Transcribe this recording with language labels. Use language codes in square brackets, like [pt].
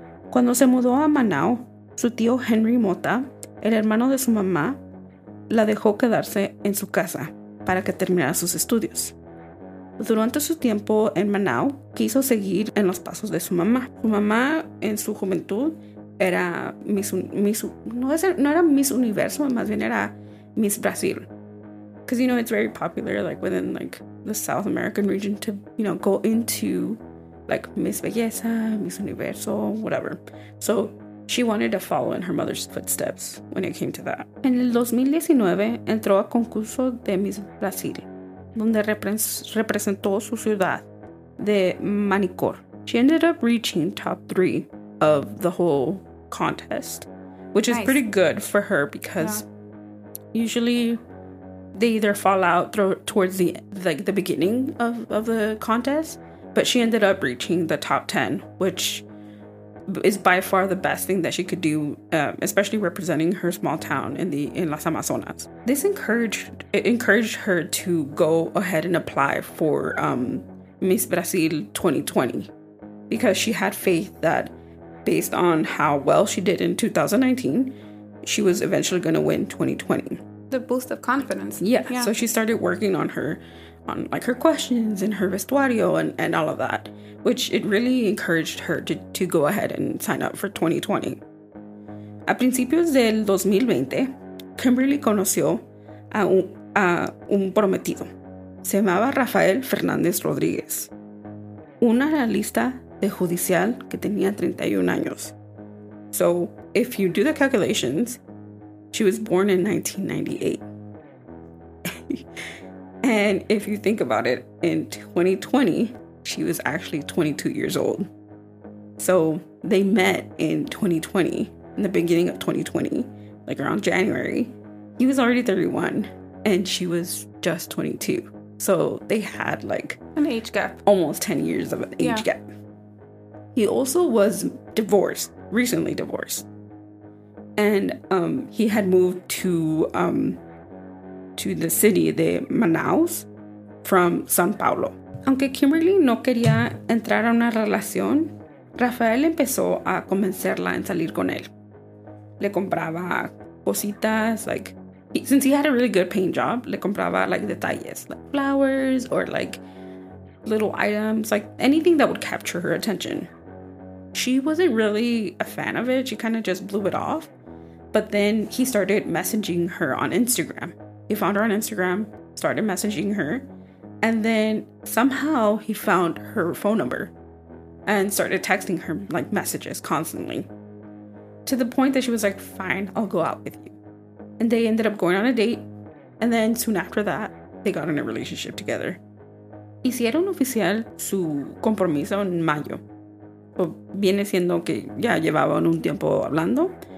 [es] Cuando se mudó a Manaus, su tío Henry Mota, el hermano de su mamá, la dejó quedarse en su casa para que terminara sus estudios. Durante su tiempo en Manaus, quiso seguir en los pasos de su mamá. Su mamá, en su juventud, era Miss Universo, más bien era Miss Brasil. [en] Because, you know, it's very popular, like, within, like, the South American region to, you know, go into, like, Miss Belleza, Miss Universo, whatever. So she wanted to follow in her mother's footsteps when it came to that. [es] En el 2019, entró a concurso de Miss Brasil, donde representó su ciudad de Manicor. [en] She ended up reaching top 3 of the whole contest, which is pretty good for her because usually they either fall out towards the beginning of the contest, but she ended up reaching the top 10, which is by far the best thing that she could do, especially representing her small town in Las Amazonas. This encouraged her to go ahead and apply for Miss Brasil 2020. because she had faith that based on how well she did in 2019, she was eventually going to win 2020. The boost of confidence. Yeah. So she started working on her questions and her vestuario and all of that, which it really encouraged her to go ahead and sign up for 2020. [es] A principios del 2020, Kimberly conoció a un prometido. Se llamaba Rafael Fernández Rodríguez. Un analista de judicial que tenía 31 años. [en] So, if you do the calculations, she was born in 1998. And if you think about it, in 2020, she was actually 22 years old. So, they met in 2020, in the beginning of 2020, like around January. He was already 31, and she was just 22. So they had like an age gap, almost 10 years of an age gap. He also was recently divorced. And he had moved to the city de Manaus from San Paulo. [es] Aunque Kimberly no quería entrar a una relación, Rafael empezó a convencerla en salir con él. Le compraba cositas, [en] like, since he had a really good paying job, [es] le compraba like detalles, [en] like flowers or like little items, like anything that would capture her attention. She wasn't really a fan of it. She kind of just blew it off. But then he started messaging her on Instagram. He found her on Instagram, started messaging her, and then somehow he found her phone number and started texting her like messages constantly, to the point that she was like, fine, I'll go out with you. And they ended up going on a date. And then soon after that, they got in a relationship together. [es] Hicieron oficial su compromiso en mayo. O viene siendo que ya llevaban un tiempo hablando.